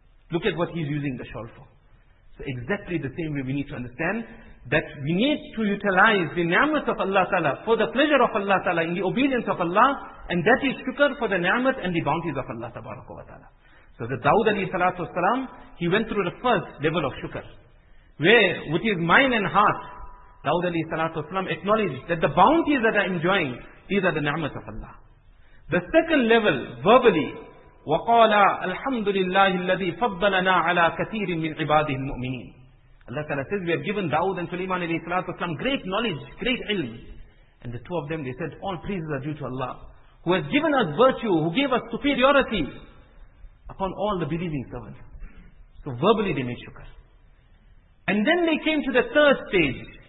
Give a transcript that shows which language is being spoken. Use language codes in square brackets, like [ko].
[en] Look at what he's using the shawl for. So exactly the same way we need to understand that we need to utilize the ni'mat of Allah Ta'ala for the pleasure of Allah Ta'ala in the obedience of Allah, and that is shukr for the ni'mat and the bounties of Allah Tabaraka wa Ta'ala. So the Dawud alayhi salatu wasalam, he went through the first level of shukr, where with his mind and heart, Dawud alayhi salatu wasalam acknowledged that the bounties that I am enjoying, these are the ni'mat of Allah. The second level, verbally, [ar] وَقَالَ الْحَمْدُ لِلَّهِ الَّذِي فَضَّلَنَا عَلَىٰ كَثِيرٍ مِّنْ عِبَادِهِ الْمُؤْمِنِينَ. [en] Allah Ta'ala says, we have given Dawud and Sulaiman alayhi salatu wasalam great knowledge, great ilm. And the two of them, they said, all praises are due to Allah, who has given us virtue, who gave us superiority upon all the believing servants. So verbally they made shukr. And then they came to the third stage.